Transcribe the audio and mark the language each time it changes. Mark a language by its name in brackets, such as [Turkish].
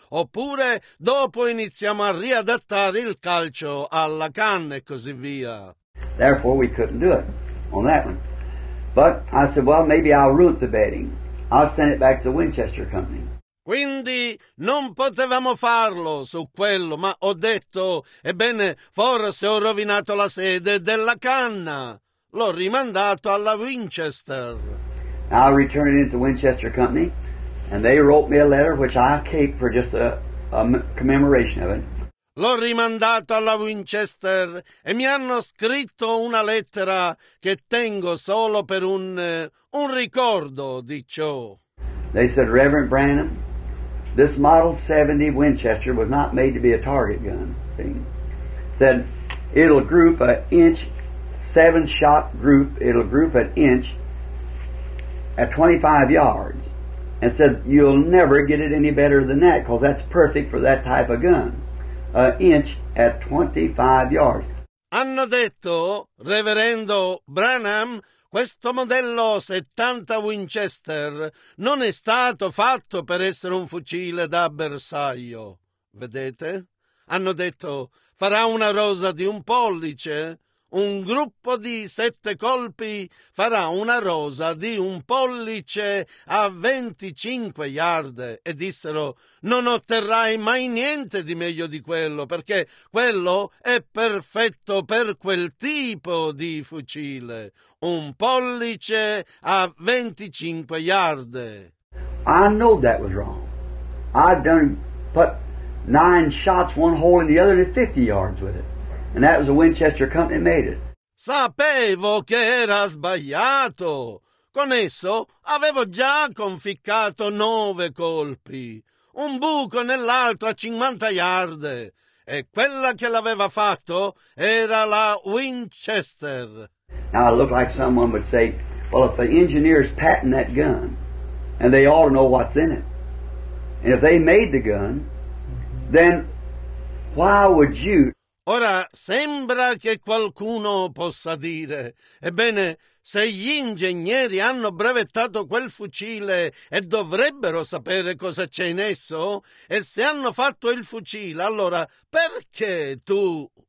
[Italian] Oppure dopo iniziamo a riadattare il calcio alla canna e così via. [English] Therefore, we couldn't do it on that one. But I said, well, maybe I'll root the bedding. I'll send it back to the Winchester Company. [Italian] Quindi non potevamo farlo su quello, ma ho detto, ebbene, forse ho rovinato la sede della canna. L'ho rimandato alla Winchester. [English] I returned it into Winchester Company, and they wrote me a letter, which I kept for just a commemoration of it. [Italian] L'ho rimandato alla Winchester e mi hanno scritto una lettera che tengo solo per un ricordo di ciò. [English] They said, Reverend Branham, this Model 70 Winchester was not made to be a target gun thing. Said, it'll group an inch, seven shot group, it'll group an inch at 25 yards. And said, you'll never get it any better than that because that's perfect for that type of gun. An inch at 25 yards. [Italian] Hanno detto, Reverendo Branham, questo modello 70 Winchester non è stato fatto per essere un fucile da bersaglio. Vedete? Hanno detto, farà una rosa di un pollice. Un gruppo di 7 colpi farà una rosa di un pollice a 25 yard. E dissero, non otterrai mai niente di meglio di quello, perché quello è perfetto per quel tipo di fucile. Un pollice a 25 yard. [English] I know that was wrong. I've done put 9 shots, one hole in the other, to 50 yards with it. And that was a Winchester Company made it. [Italian] Sapevo che era sbagliato. Con esso avevo già conficcato 9 colpi. Un buco nell'altro a 50 yard. E quella che l'aveva fatto era la Winchester. [English] Now it looked like someone would say, well, if the engineers patent that gun, and they ought to know what's in it, and if they made the gun, then why would you... [Italian] Ora sembra che qualcuno possa dire, ebbene, se gli ingegneri hanno brevettato quel fucile e dovrebbero sapere cosa c'è in esso, e se hanno fatto il fucile, allora perché tu?